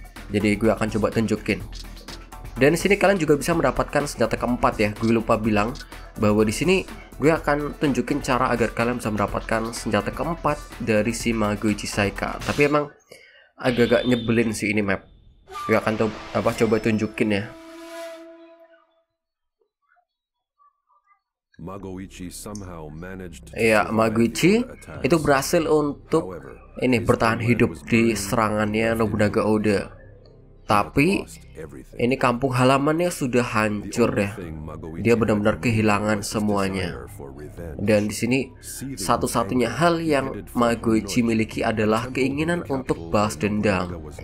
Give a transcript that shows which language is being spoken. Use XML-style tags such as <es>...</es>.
<id>Jadi gue akan coba tunjukin. Dan di sini kalian juga bisa mendapatkan senjata keempat ya. Gue lupa bilang bahwa di sini gue akan tunjukin cara agar kalian bisa mendapatkan senjata keempat dari si Magoichi Saika. Tapi emang agak-agak nyebelin sih ini map. Gue akan coba tunjukin ya.</id> <en>Magoichi somehow managed.</en> <id>Ya, Magoichi itu berhasil untuk ini bertahan hidup di serangannya Nobunaga Oda. Tapi ini kampung halamannya sudah hancur ya. Dia benar-benar kehilangan semuanya. Dan di sini satu-satunya hal yang Magoichi miliki adalah keinginan untuk balas dendam.</id>